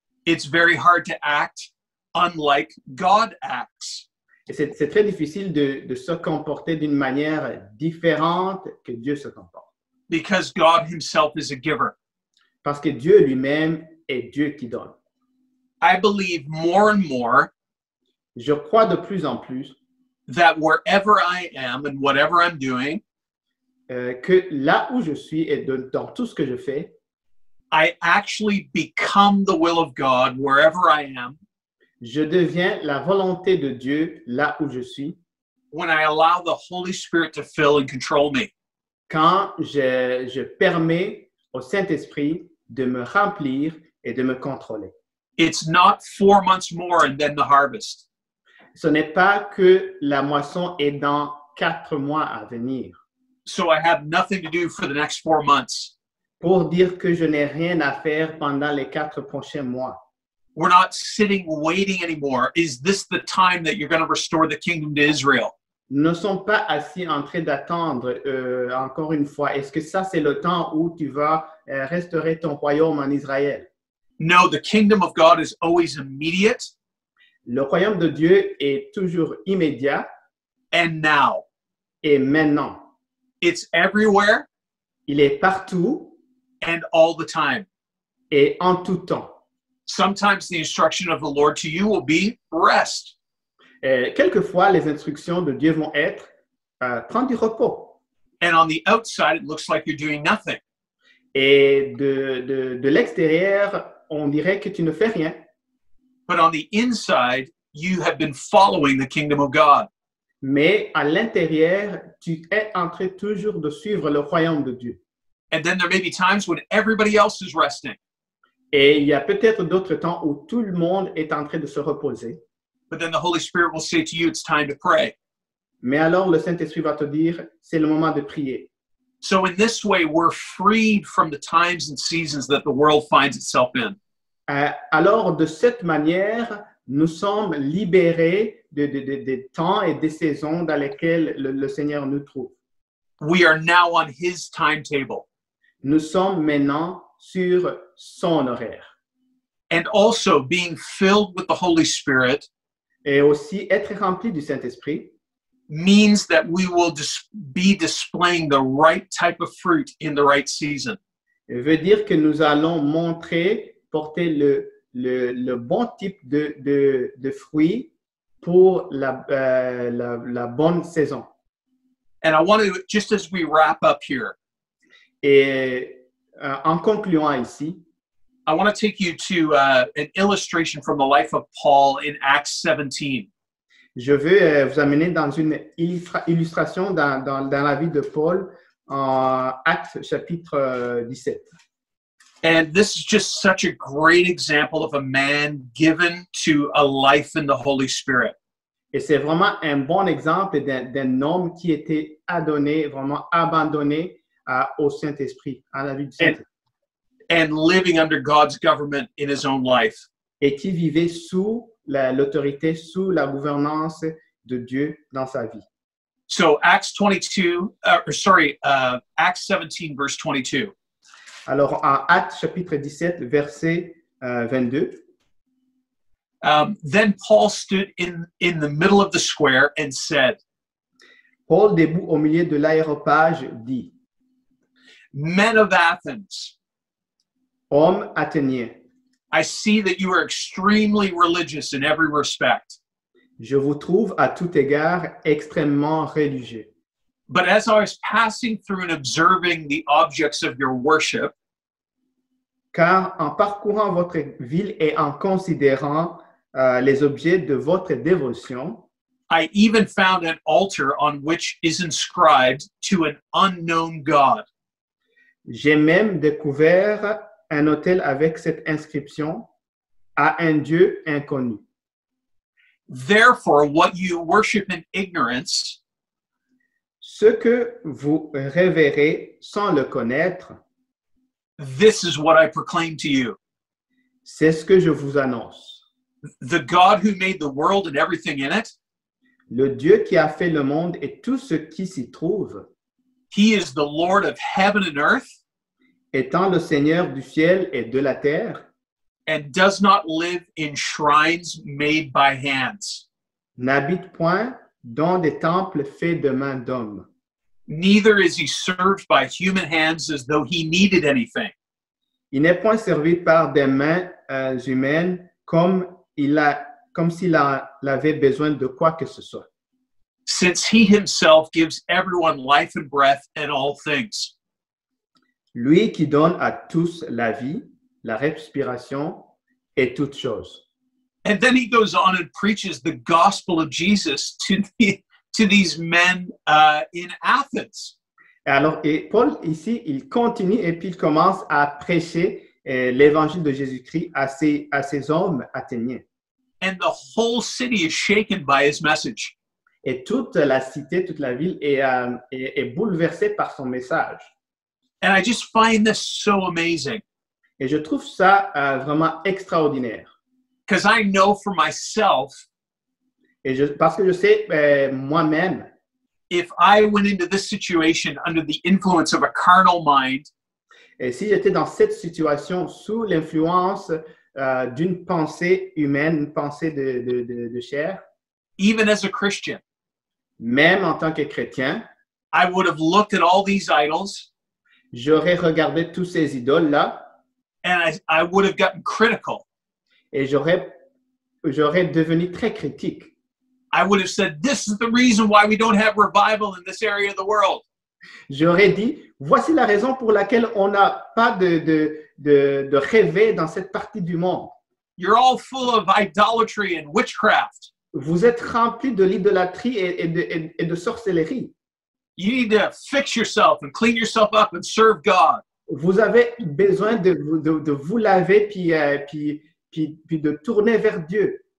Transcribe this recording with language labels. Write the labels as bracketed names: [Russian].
[English] It's very hard to act unlike God acts. [French] C'est très difficile de se comporter d'une manière différente que Dieu se comporte. [English] Because God himself is a giver. [French] Parce que Dieu lui-même est Dieu qui donne. [English] I believe more and more. [French] Je crois de plus en plus. [English] That wherever I am and whatever I'm doing. [French] Que là où je suis et dans tout ce que je fais. [English] I actually become the will of God wherever I am. [French] Je deviens la volonté de Dieu là où je suis. [English] When I allow the Holy Spirit to fill and control me. [French] Quand je permets au Saint-Esprit de me remplir et de me contrôler. [English] It's not 4 months more and then the harvest. [French] Ce n'est pas que la moisson est dans 4 mois à venir. [English] So I have nothing to do for the next 4 months. [French] Pour dire que je n'ai rien à faire pendant les 4 prochains mois. [English] We're not sitting waiting anymore. Is this the time that you're going to restore the kingdom to Israel? [French] Ne sommes pas assis en train d'attendre encore une fois. Est-ce que ça c'est le temps où tu vas restaurer ton royaume en Israël? [English] No, the kingdom of God is always immediate. [French] Le royaume de Dieu est toujours immédiat. [English] And now. [French] Et maintenant. [English] It's everywhere. [French] Il est partout. [English] And all the time. [French] Et en tout temps. [English] Sometimes the instruction of the Lord to you will be rest. [French] Quelquefois, les instructions de Dieu vont être prendre du repos. [English] And on the outside, it looks like you're doing nothing. [French] Et de l'extérieur, on dirait que tu ne fais rien. [English] But on the inside, you have been following the kingdom of God. [French] Mais à l'intérieur, tu es en train toujours de suivre le royaume de Dieu. [English] And then there may be times when everybody else is resting. [French] Et il y a peut-être d'autres temps où tout le monde est en train de se reposer. [English] But then the Holy Spirit will say to you, it's time to pray. [French] Mais alors le Saint-Esprit va te dire, c'est le moment de prier. [English] So in this way, we're freed from the times and seasons that the world finds itself in. [French] Alors, de cette manière, nous sommes libérés de temps et des saisons dans lesquelles le Seigneur nous trouve. [English] We are now on his timetable. [French] Nous sommes maintenant sur son horaire. [English] And also being filled with the Holy Spirit. [French] Et aussi être rempli du Saint-Esprit. [English] Means that we will be displaying the right type of fruit in the right season. [French] Il veut dire que nous allons montrer porter le bon type de fruit pour la bonne saison. [English] And I want to just as we wrap up here. [French] Et en concluant ici, [English] I want to take you to an illustration from the life of Paul in Acts 17. [French] Je veux vous amener dans une illustration dans la vie de Paul en Actes chapitre 17. [English] And this is just such a great example of a man given to a life in the Holy Spirit. [French] Et c'est vraiment un bon exemple d'un homme qui était adonné, vraiment abandonné au Saint-Esprit, à la vie du Saint-Esprit. [English] And living under God's government in his own life. [French] Et qui vivait sous l'autorité, sous la gouvernance de Dieu dans sa vie. [English] So Acts 22, Acts 17, verse 22. [French] Alors, en Actes, chapitre 17, verset 22. [English] Then Paul stood in the middle of the square and said, [French] Paul, debout au milieu de l'aéropage, dit, [English] Men of Athens, [French] hommes athéniens, [English] I see that you are extremely religious in every respect. [French] Je vous trouve à tout égard extrêmement religieux. [English] But as I was passing through and observing the objects of your worship, [French] car en parcourant votre ville et en considérant les objets de votre dévotion, [English] I even found an altar on which is inscribed to an unknown God. [French] J'ai même découvert un autel avec cette inscription à un Dieu inconnu. [English] Therefore, what you worship in ignorance, [French] ce que vous révérez sans le connaître, [English] this is what I proclaim to you. [French] C'est ce que je vous annonce. [English] The God who made the world and everything in it. [French] Le Dieu qui a fait le monde et tout ce qui s'y trouve. [English] He is the Lord of heaven and earth. [French] Étant le Seigneur du ciel et de la terre. [English] And does not live in shrines made by hands. [French] N'habite point dans des temples faits de mains d'hommes. [English] Neither is he served by human hands as though he needed anything. [French] Il n'est point servi par des mains humaines comme s'il avait besoin de quoi que ce soit. [English] Since he himself gives everyone life and breath and all things. [French] Lui qui donne à tous la vie, la respiration et toutes choses. [English] And then he goes on and preaches the gospel of Jesus to these men in Athens. [French] Alors, et Paul ici, il continue et puis il commence à prêcher l'évangile de Jésus-Christ à ces hommes athéniens. [English] And the whole city is shaken by his message. [French] Et toute la cité, toute la ville est bouleversée par son message. [English] And I just find this so amazing. [French] Et je trouve ça vraiment extraordinaire. [English] Because I know for myself. [French] Parce que je sais moi-même. [English] If I went into this situation under the influence of a carnal mind, [French] et si j'étais dans cette situation sous l'influence d'une pensée humaine, une pensée de chair, [English] even as a Christian, [French] même en tant que chrétien, [English] I would have looked at all these idols, [French] j'aurais regardé tous ces idoles là, [English] and I would have gotten critical, [French] et j'aurais devenu très critique. [English] I would have said, this is the reason why we don't have revival in this area of the world. [French] J'aurais dit, voici la raison pour laquelle on n'a pas de réveil dans cette partie du monde. [English] You're all full of idolatry and witchcraft. [French] Vous êtes remplis de l'idolâtrie et de sorcellerie. [English] You need to fix yourself and clean yourself up and serve God. [French] Vous avez besoin de vous laver puis de tourner vers Dieu.